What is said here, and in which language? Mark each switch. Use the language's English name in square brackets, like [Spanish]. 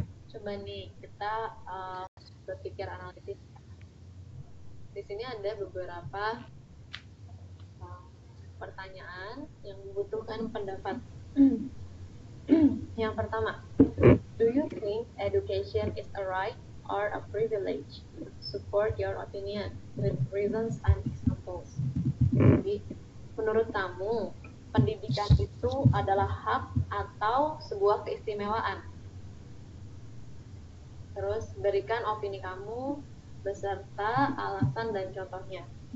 [Indonesian] Coba nih kita berpikir analitis. Di sini ada beberapa pertanyaan yang membutuhkan pendapat. Yang pertama, [English] do you think education is a right or a privilege? Support your opinion with reasons and examples. [Indonesian] Jadi, menurut kamu, pendidikan itu adalah hak atau sebuah keistimewaan? Terus, berikan opini kamu beserta alasan dan contohnya.